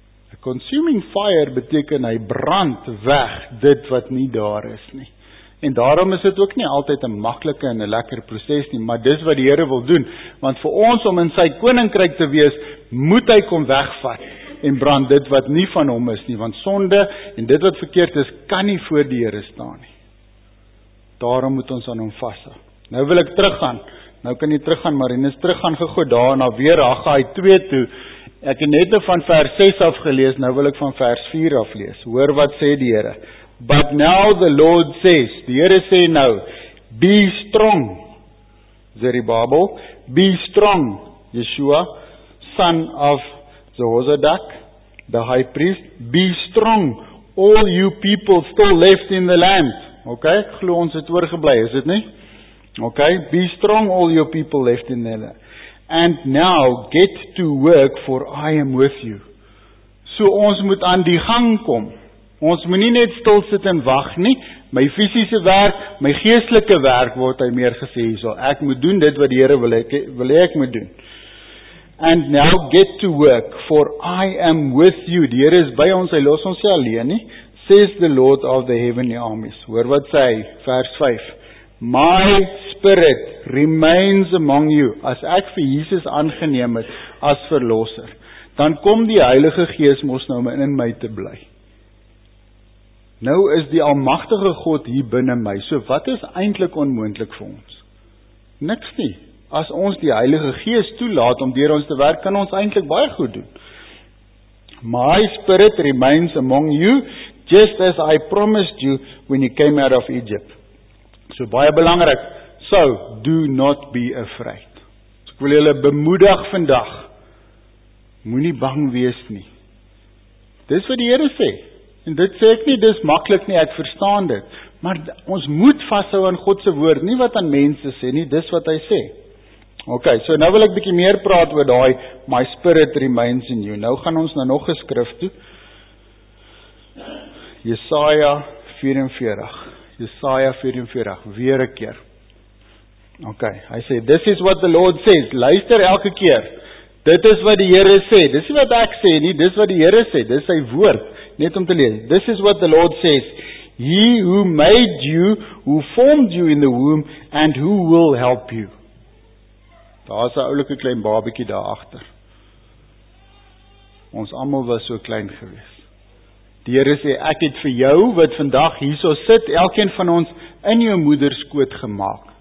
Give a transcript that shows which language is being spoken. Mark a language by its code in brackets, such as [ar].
[en] A consuming fire [af] beteken hy brand weg dit wat nie daar is nie. En daarom is dit ook nie altyd 'n maklike en 'n lekker proses nie, maar dis wat die Here wil doen. Want vir ons om in sy koninkryk te wees, moet hy kom wegvat en brand dit wat nie van hom is nie. Want sonde en dit wat verkeerd is, kan nie voor die Here staan nie. Daarom moet ons aan hom vashou. Nou wil ek teruggaan. Nou kan jy teruggaan, Marinus, teruggaan gegooi daar na weer Haggai 2 toe. Ek het net van vers 6 af gelees, nou wil ek van vers 4 af lees. Hoor wat sê die Here. [en] But now the Lord says, [af] die Here sê nou, [en] be strong, Zerubbabel, be strong, Yeshua, son of Jehozadak, the high priest, be strong, all you people still left in the land. [af] Ok, glo ons het oorgeblei, is dit nie? [en] Ok, be strong, all your people left in the land. And now get to work, for I am with you. [af] So ons moet aan die gang kom. Ons moet nie net stil sit en wag nie. My fisiese werk, my geestelike werk word hy meer gesê hierso. Ek moet doen dit wat die Here wil ek moet doen. [en] And now get to work, for I am with you. [af] Die Here is by ons, hy los ons nie alleen nie. [en] Says the Lord of the heavenly armies. [af] Hoor wat sê hy, vers 5. [en] My spirit remains among you. [af] As ek vir Jesus aangeneem het as verlosser, dan kom die Heilige Gees mos nou in my te bly. Nou is die almagtige God hier binne my. So wat is eintlik onmoontlik vir ons? Niks nie. As ons die Heilige Gees toelaat om deur ons te werk, kan ons eintlik baie goed doen. [en] My spirit remains among you, just as I promised you when you came out of Egypt. [af] So baie belangrik. [en] So do not be afraid. [af] So, ek wil julle bemoedig vandag. Moenie bang wees nie. Dis wat die Here sê. En dit sê ek nie, dis maklik nie, ek verstaan dit. Maar ons moet vashou aan God se woord, nie wat aan mense sê nie, dis wat hy sê. Ok, so nou wil ek bietjie meer praat oor daai, [en] my spirit remains in you. [af] Nou gaan ons na nog 'n skrif toe. Jesaja 44. Jesaja 44, weer 'n keer. [en] Ok, [af] hy sê, [en] this is what the Lord says, [af] luister elke keer. Dit is wat die Here sê, dis nie wat ek sê nie, dis wat die Here sê, dis sy woord. Net om te lees, [en] this is what the Lord says, he who made you, who formed you in the womb, and who will help you. [af] Daar is 'n oulike klein babietjie daar agter. Ons almal was so klein gewees. Die Here sê, ek het vir jou, wat vandag hierso sit, elkeen van ons in jou moederskoot gemaak.